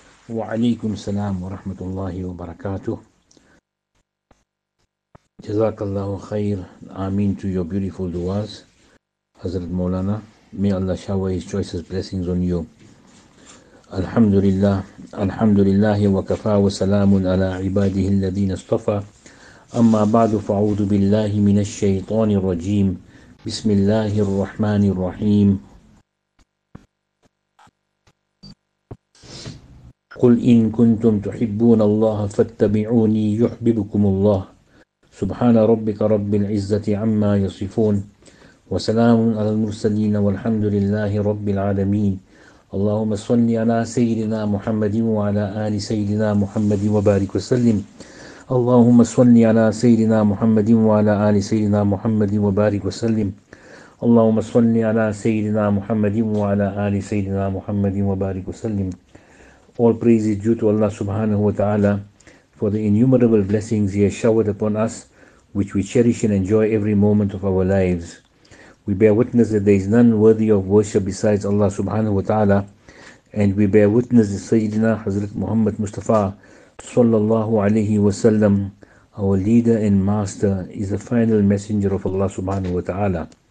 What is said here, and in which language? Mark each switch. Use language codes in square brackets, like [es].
[ar] وعليكم السلام ورحمة الله وبركاته. جزاك الله خير. [en] آمين to your beautiful duas. حضرت مولانا, may Allah shower his choicest blessings on you. [ar] الحمد لله, الحمد لله وكفى وسلام على عباده الذين اصطفى. أما بعد, فأعوذ بالله من الشيطان الرجيم. بسم الله الرحمن الرحيم. قل إن كنتم تحبون الله فاتبعوني يحببكم الله. سبحان ربك رب العزة عما يصفون, وسلام على المرسلين, والحمد لله رب العالمين. اللهم صل على سيدنا محمد وعلى آل سيدنا محمد وبارك وسلم. اللهم صل على سيدنا محمد وعلى آل سيدنا محمد وبارك وسلم. اللهم صل على سيدنا محمد وعلى آل سيدنا محمد وبارك وسلم. [en] All praise is due to Allah subhanahu wa ta'ala for the innumerable blessings He has showered upon us, which we cherish and enjoy every moment of our lives. We bear witness that there is none worthy of worship besides Allah subhanahu wa ta'ala, and we bear witness that Sayyidina Hazrat Muhammad Mustafa sallallahu alayhi wa sallam, our leader and master, is the final messenger of Allah subhanahu wa ta'ala.